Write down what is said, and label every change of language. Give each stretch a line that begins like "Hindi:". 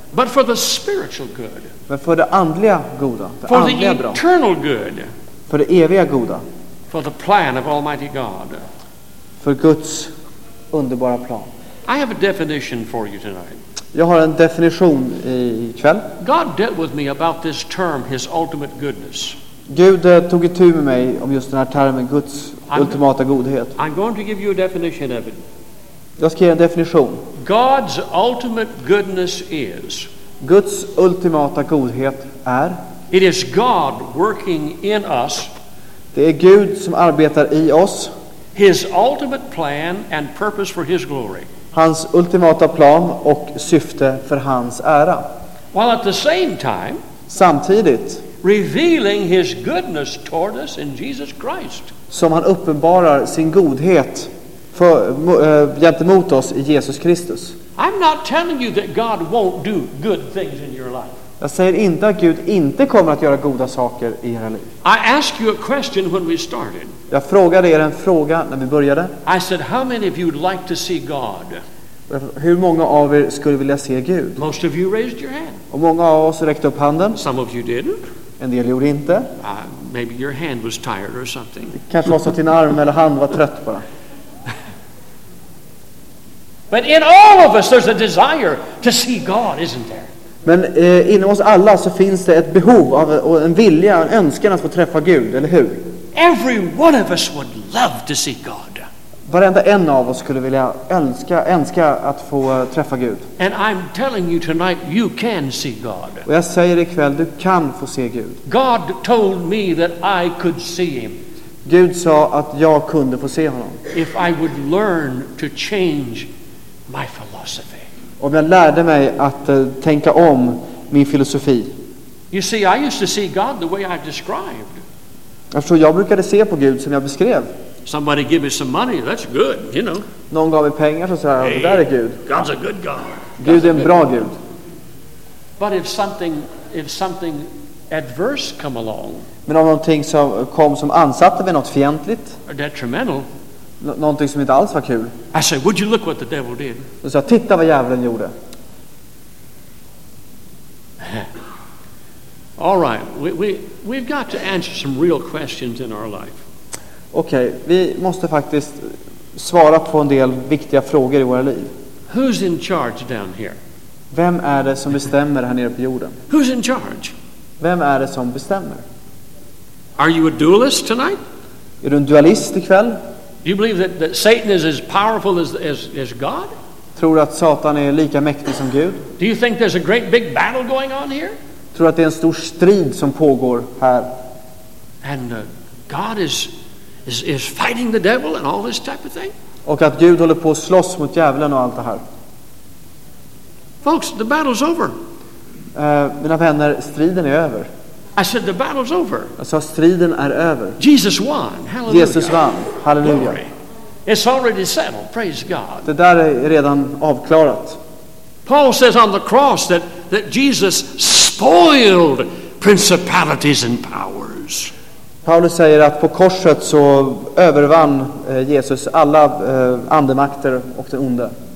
English: But for the spiritual good.
Swedish: Men för det andliga goda, för det andliga bra.
English: For the eternal good.
Swedish: För det eviga goda.
English: For the plan of Almighty God.
Swedish: För Guds underbara plan.
English: I have a definition for you tonight.
Swedish: Jag har en definition i kväll.
English: God dealt with me about this term, his ultimate goodness.
Swedish: Gud tog itu med mig om just den här termen, Guds ultimata godhet.
English: I'm going to give you a definition of it.
Swedish: Jag ska ge en definition.
English: God's ultimate goodness is.
Swedish: Guds ultimata godhet är.
English: It is God working in us.
Swedish: Det är Gud som arbetar i oss.
English: His ultimate plan and purpose for his glory.
Swedish: Hans ultimata plan och syfte för hans ära.
English: While at the same time.
Swedish: Samtidigt.
English: Revealing his goodness toward us in Jesus Christ.
Swedish: Som han uppenbarar sin godhet för gentemot oss i Jesus Kristus.
English: I'm not telling you that God won't do good things in your life.
Swedish: Jag säger inte att Gud inte kommer att göra goda saker i era liv.
English: I ask you a question when we started.
Swedish: Jag frågade er en fråga när vi började.
English: I said, how many of you would like to see God?
Swedish: Hur många av er skulle vilja se Gud?
English: Most of you raised your hand.
Swedish: Och många av oss räckte upp handen.
English: Some of you didn't.
Swedish: En del gjorde inte.
English: Maybe your hand was tired or something.
Swedish: Kanske var så att din arm eller hand var trött bara.
English: But in all of us there's a desire to see God, isn't there?
Swedish: Men inom oss alla så finns det ett behov av och en vilja, en önskan att få träffa Gud, eller hur?
English: Every one of us would love to see God.
Swedish: Varenda en av oss skulle vilja önska att få träffa Gud.
English: And I'm telling you tonight, you can see God.
Swedish: Och jag säger ikväll, du kan få se Gud.
English: God told me that I could see him.
Swedish: Gud sa att jag kunde få se honom.
English: If I would learn to change my philosophy.
Swedish: Om jag lärde mig att tänka om min filosofi.
English: You see, I used to see God the way I described.
Swedish: Eftersom jag brukade se på Gud som jag beskrev.
English: Somebody give me some money, that's good, you know.
Swedish: Någon gav mig pengar så sa jag, hey, där är Gud.
English: God's a good God.
Swedish: Gud är en bra Gud.
English: But if something adverse come along.
Swedish: Men om någonting som kom som ansatte mig något fientligt.
English: Or detrimental.
Swedish: Någonting som inte alls var kul.
English: I said, would you look what the devil did?
Swedish: Och så titta vad djävulen gjorde.
English: All right, we've got to answer some real questions in our life.
Swedish: Okej, vi måste faktiskt svara på en del viktiga frågor i våra liv.
English: Who's in charge down here?
Swedish: Vem är det som bestämmer här nere på jorden?
English: Who's in charge?
Swedish: Vem är det som bestämmer?
English: Are you a dualist tonight?
Swedish: Är du en dualist ikväll?
English: Do you believe that Satan is as powerful as God?
Swedish: Tror du att Satan är lika mäktig som Gud?
English: Do you think there's a great big battle going on here?
Swedish: Tror du att det är en stor strid som pågår här?
English: And God is fighting the devil and all this type of thing?
Swedish: Och att Gud håller på att slåss mot djävulen och allt det här.
English: Folks, the battle's over.
Swedish: Mina vänner, striden är över.
English: I said the battle's over.
Swedish: Jag sa striden är över.
English: Jesus won. Hallelujah.
Swedish: Jesus vann. Halleluja.
English: It's already settled. Praise God.
Swedish: Det där är redan avklarat.
English: Paul says on the cross that Jesus spoiled principalities and powers.
Swedish: Paulus säger att på korset så övervann Jesus alla andemakter och det onda.